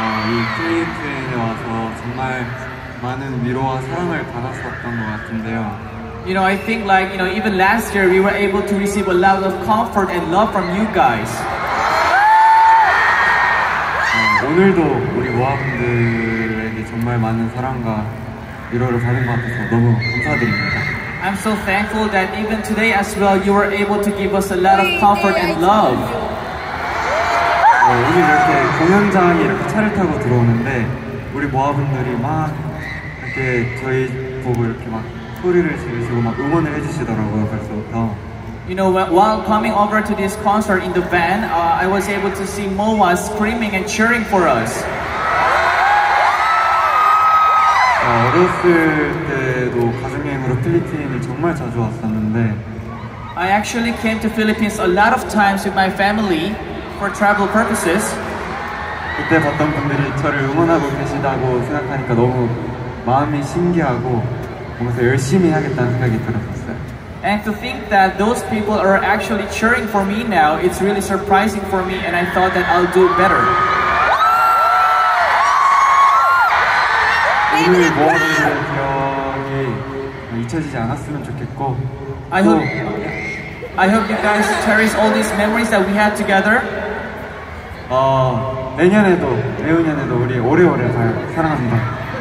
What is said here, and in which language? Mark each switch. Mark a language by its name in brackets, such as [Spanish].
[Korean] 이 필리핀에 와서 정말 많은 위로와 사랑을 받았었던 것 같은데요. [English] You know, I think like, you know, even last year we were able to receive a lot of comfort and love from you guys. [Korean] 오늘도 우리 모아분들에게 정말 많은 사랑과 위로를 받은 것 같아서 너무 감사드립니다. [English] I'm so thankful that even today as well you were able to give us a lot of comfort and love. [Korean] 오늘 이렇게 공연장에 이렇게 차를 타고 들어오는데 우리 모아분들이 막 이렇게 저희 보고 이렇게 막 소리를 지르시고 막 응원을 해주시더라고요 벌써부터. [English] You know, while coming over to this concert in the van, I was able to see MOA screaming and cheering for us. [Korean] 어렸을 때도 가정 여행 필리핀을 정말 자주 왔었는데 [English] I actually came to Philippines a lot of times with my family for travel purposes. [Korean] 그때 봤던 분들이 저를 응원하고 계시다고 생각하니까 너무 마음이 신기하고 뭔가 열심히 해야겠다는 생각이 들었어요. [English] And to think that those people are actually cheering for me now, it's really surprising for me and I thought that I'll do better. [Korean] 우리 모든 기억이 잊혀지지 않았으면 좋겠고 [English] I hope you guys cherish all these memories that we had together. [Korean] 내년에도 내후년에도 우리 오래오래 사랑합니다.